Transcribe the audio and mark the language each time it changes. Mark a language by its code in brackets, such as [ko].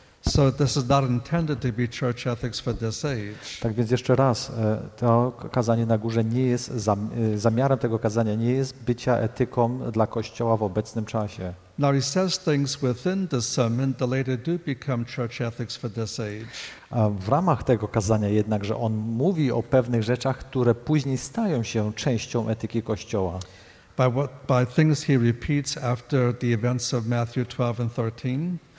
[en] So this is not intended to be church ethics for this age. [pl] Tak więc jeszcze raz, to kazanie na górze nie jest zamiarem tego kazania nie jest bycia etyką dla Kościoła w obecnym czasie. [en] Now he says things within the sermon that later do become church ethics for this age. [pl] A w ramach tego kazania jednakże on mówi o pewnych rzeczach, które później stają się częścią etyki Kościoła. [en] By things he repeats after the events of Matthew 12 and 13.